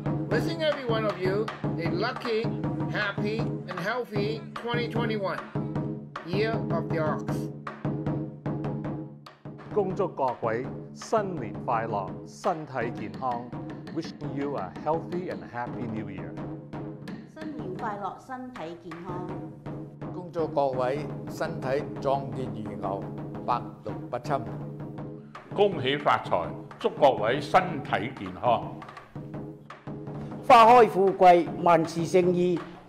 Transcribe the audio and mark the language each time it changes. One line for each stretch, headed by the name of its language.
English: Wishing every one of you a lucky, happy, and healthy 2021, Year of the Ox.
Chinese: 恭祝各位新年快乐，身体健康。
English: Wishing you a healthy and happy New Year.
Chinese: 新年快乐，身体健康。恭祝各位身体壮健如牛，百毒不侵。恭喜发财，祝各位身体健康。花开富贵，万事胜意。